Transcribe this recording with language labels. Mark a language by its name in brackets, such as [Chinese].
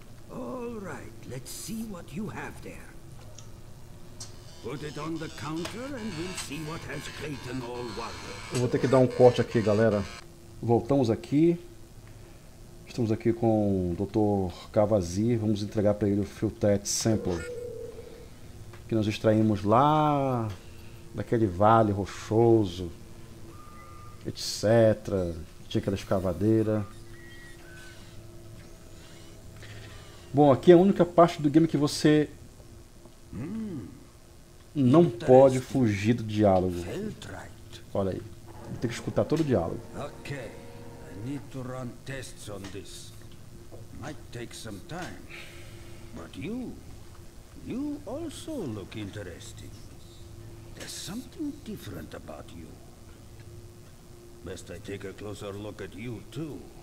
[English] All right, let's see what you have there. Put it on the counter and we'll see what has Clayton all wanted. [Portuguese] Eu vou ter que dar um corte aqui, galera. Voltamos aqui. Estamos aqui com o Dr. Cavazir. Vamos entregar para ele o Filtet Sample que nós extraímos lá daquele vale rochoso, etc. Tinha aquela escavadeira. Bom, aqui é a única parte do game que você não pode fugir do diálogo. Olha aí, tem que escutar todo o diálogo. [English] Ok, I need to run tests on this. Might take some time. But you also look interesting. There's something different about you. Best I take a closer look at you, too.